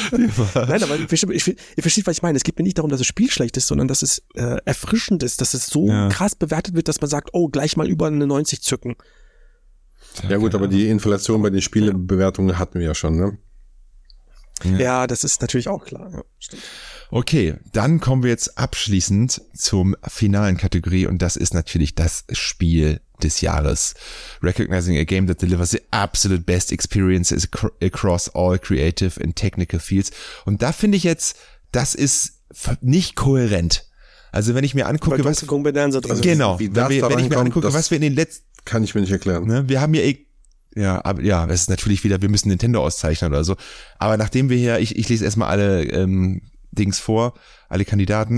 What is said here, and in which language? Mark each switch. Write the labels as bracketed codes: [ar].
[de] Nein, aber ihr versteht, was ich meine. Es geht mir nicht darum, dass das Spiel schlecht ist, sondern dass es erfrischend ist, dass es so krass bewertet wird, dass man sagt, oh, gleich mal über eine 90 zücken. Ja gut, aber die Inflation bei den Spielebewertungen hatten wir ja schon, ne? Ja, das ist natürlich auch klar. Ja, okay, dann kommen wir jetzt abschließend zum finalen Kategorie und das ist natürlich das Spiel des Jahres. [en] Recognizing a game that delivers the absolute best experience across all creative and technical fields. [de] Und da finde ich jetzt, das ist nicht kohärent. Also wenn ich mir angucke, was... was wir in den letzten... Kann ich mir nicht erklären. Ne, wir haben ja... es ist natürlich wieder, wir müssen Nintendo auszeichnen oder so. Aber nachdem wir hier, ich lese erstmal alle Dings vor, alle Kandidaten.